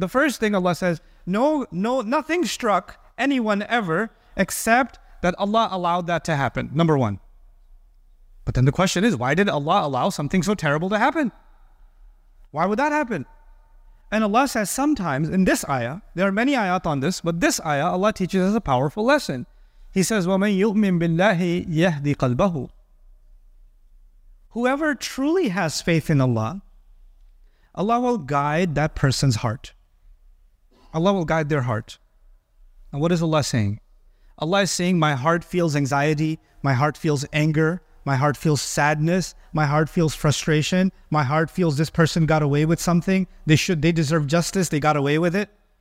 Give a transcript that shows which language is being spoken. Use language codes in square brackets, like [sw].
[en] The first thing Allah says, nothing struck anyone ever except that Allah allowed that to happen. Number one. But then the question is, why did Allah allow something so terrible to happen? Why would that happen? And Allah says sometimes in this ayah, there are many ayat on this, but this ayah, Allah teaches us a powerful lesson. He says, [ar] وَمَن يُؤْمِن بِاللَّهِ يَهْدِي قَلْبَهُ. [en] Whoever truly has faith in Allah, Allah will guide that person's heart. Allah will guide their heart. And what is Allah saying? Allah is saying, my heart feels anxiety, my heart feels anger, my heart feels sadness, my heart feels frustration, my heart feels this person got away with something, they deserve justice, they got away with it.